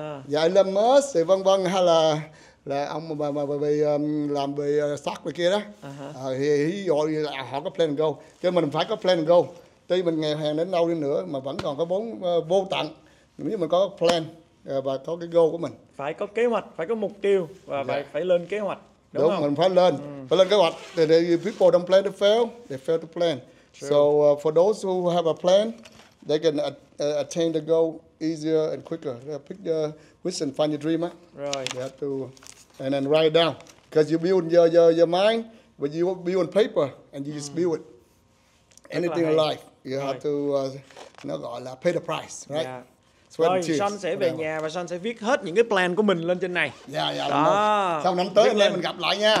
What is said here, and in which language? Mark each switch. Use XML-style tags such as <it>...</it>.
<vi>Dạ Elon Musk thì vân vân, hay là ông mà bị sắc bên kia đó. Thì gọi là họ có plan go. Chứ mình phải có plan go. Tuy mình nghèo hèn đến đâu đi nữa mà vẫn còn có vốn vô tận. Nếu mà có plan và có cái goal của mình, phải có kế hoạch, phải có mục tiêu và phải lên kế hoạch, đúng không? Mình phải lên kế hoạch.</vi> <en>The people don't plan to fail, they fail to plan. True. So for those who have a plan, they can attain the goal easier and quicker. Pick your vision, find your dream. Right. You have to and then write it down, because you build your mind, but you build on paper and you just build it. Anything in life, you have to</en> <vi>nó gọi là</vi> <en>pay the price, right? Yeah.</en> <vi>Rồi, Sean sẽ về nhà và Sean sẽ viết hết những cái plan của mình lên trên này. Dạ, dạ, đó. Xong năm tới anh em mình gặp lại nha.</vi>